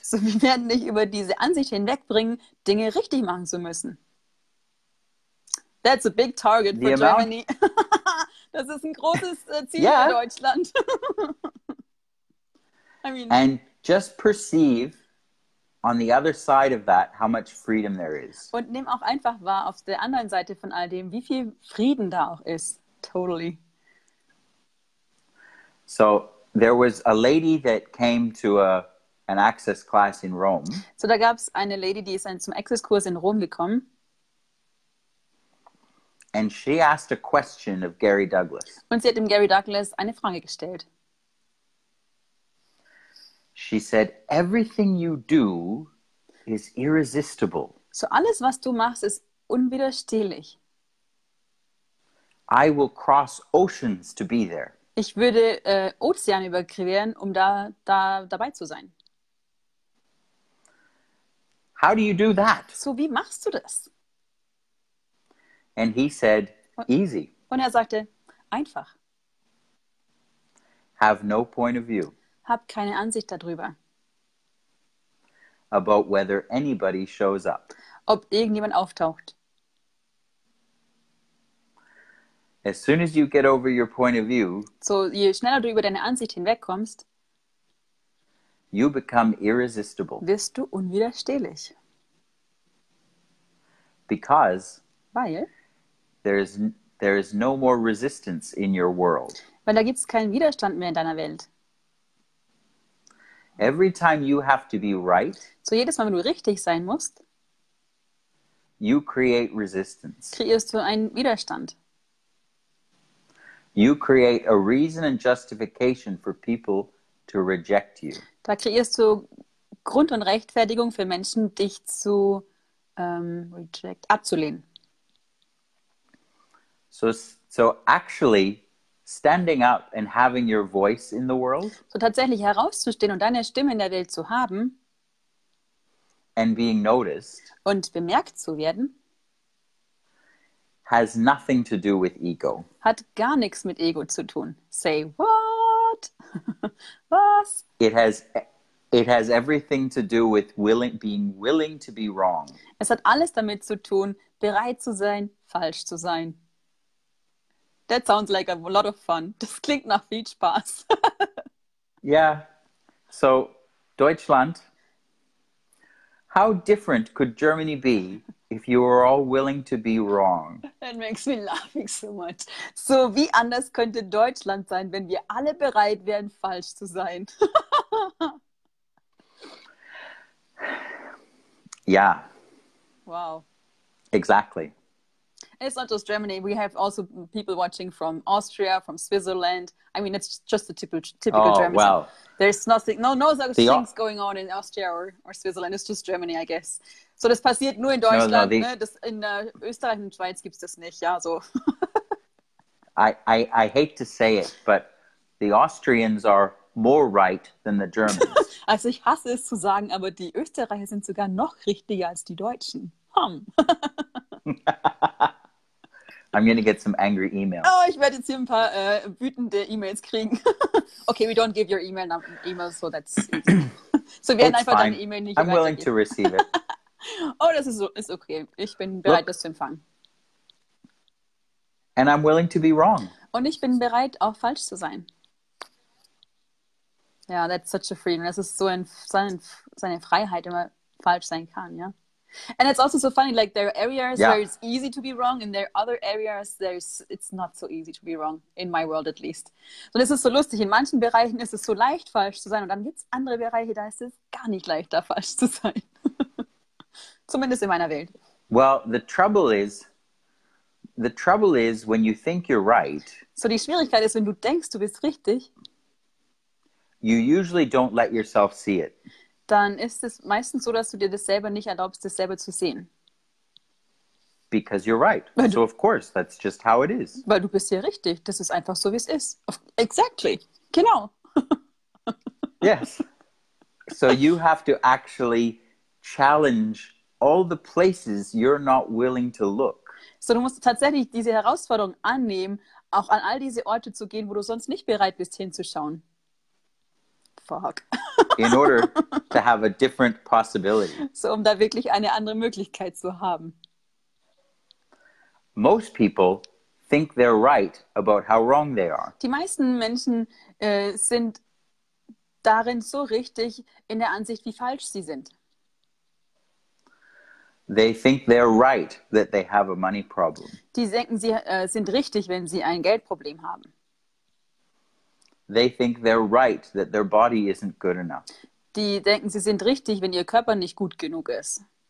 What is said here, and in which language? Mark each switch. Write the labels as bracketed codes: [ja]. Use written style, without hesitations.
[de] So, wir werden dich über diese Ansicht hinwegbringen, Dinge richtig machen zu müssen. [en] That's a big target for Germany. [de] Das ist ein großes Ziel yeah. für Deutschland. [en] I mean, and just perceive on the other side of that how much freedom there is. [de] Und nimm auch einfach wahr auf der anderen Seite von all dem, wie viel Frieden da auch ist. [en] Totally. So there was a lady that came to an access class in Rome. [de] So da gab's eine Lady, die ist dann zum Access Kurs in Rom gekommen. [en] And she asked a question of Gary Douglas. [de] Und sie hat dem Gary Douglas eine Frage gestellt. [en] She said, "Everything you do is irresistible." [de] So alles, was du machst, ist unwiderstehlich. [en] I will cross oceans to be there. [de] Ich würde Ozean überqueren, um da dabei zu sein. [en] How do you do that? [de] So wie machst du das? [en] And he said, easy. [de] Und sagte, einfach. [en] Have no point of view. [de] Hab keine Ansicht darüber. [en] About whether anybody shows up. [de] Ob irgendjemand auftaucht. [en] As soon as you get over your point of view, [de] so je schneller du über deine Ansicht hinwegkommst, [en] you become irresistible. [de] Wirst du unwiderstehlich. [en] Because, [de] weil, [en] There is no more resistance in your world. [de] Weil da gibt's keinen Widerstand mehr in deiner Welt. [en] Every time you have to be right, [de] so jedes Mal, wenn du richtig sein musst, [en] you create resistance. [de] Kreierst du einen Widerstand. [en] You create a reason and justification for people to reject you. [de] Da kreierst du Grund und Rechtfertigung für Menschen, dich zu reject, abzulehnen. [en] So actually standing up and having your voice in the world, [de] so tatsächlich herauszustehen und deine Stimme in der Welt zu haben, [en] and being noticed, [de] und bemerkt zu werden, [en] has nothing to do with ego. [de] Hat gar nichts mit Ego zu tun. [en] Say what? [de] Was? [en] It has everything to do with being willing to be wrong. [de] Es hat alles damit zu tun, bereit zu sein, falsch zu sein. [en] That sounds like a lot of fun. [de] Das klingt nach viel Spaß. [en] Yeah. So, Deutschland. How different could Germany be if you were all willing to be wrong? That makes me laughing so much. [de] So, wie anders könnte Deutschland sein, wenn wir alle bereit wären, falsch zu sein? [en] Yeah. Wow. Exactly. It's not just Germany. We have also people watching from Austria, from Switzerland. I mean, it's just a typical German. Oh, wow. There's nothing, no such things going on in Austria or Switzerland. It's just Germany, I guess. [de] So das passiert nur in Deutschland. [en] No, [de] ne? Das, in Österreich und Schweiz gibt's das nicht. Ja, so. [en] I hate to say it, but the Austrians are more right than the Germans. [de] Also ich hasse es zu sagen, aber die Österreicher sind sogar noch richtiger als die Deutschen. [en] I'm going to get some angry emails. [de] Oh, ich werde jetzt hier ein paar wütende E-Mails kriegen. [en] Okay, we don't give your email numbers, so that's easy. [de] So wir werden einfach deine E-Mail nicht weitergeben. [en] I'm willing to receive it. [de] Oh, das ist okay. Ich bin bereit, das zu empfangen. [en] And I'm willing to be wrong. [de] Und ich bin bereit, auch falsch zu sein. Ja, [en] yeah, that's such a freedom. [de] Das ist so seine Freiheit, immer falsch sein kann, ja. [en] Yeah? And it's also so funny, like there are areas where it's easy to be wrong and there are other areas it's not so easy to be wrong, in my world at least. [de] Und es ist so lustig, in manchen Bereichen ist es so leicht, falsch zu sein und dann gibt es andere Bereiche, da ist es gar nicht leichter, falsch zu sein. Zumindest in meiner Welt. [en] Well, the trouble is when you think you're right. [de] So die Schwierigkeit ist, wenn du denkst, du bist richtig. [en] You usually don't let yourself see it. [de] Dann ist es meistens so, dass du dir das selber nicht erlaubst, das selber zu sehen. [en] Because you're right. So of course, that's just how it is. [de] Weil du bist hier richtig. Das ist einfach so, wie es ist. [en] Exactly. [de] Genau. [en] Yes. So you have to actually challenge all the places you're not willing to look. [de] So du musst tatsächlich diese Herausforderung annehmen, auch an all diese Orte zu gehen, wo du sonst nicht bereit bist, hinzuschauen. [en] Fuck. In order to have a different possibility. [de] So, um da wirklich eine andere Möglichkeit zu haben. [en] Most people think they're right about how wrong they are. [de] Die meisten Menschen sind darin so richtig in der Ansicht, wie falsch sie sind. [en] They think they're right that they have a money problem. [de] Die denken, sie sind richtig, wenn sie ein Geldproblem haben. [en] They think they're right that their body isn't good enough. [de] Die denken, sie sind richtig, wenn ihr Körper nicht gut genug ist.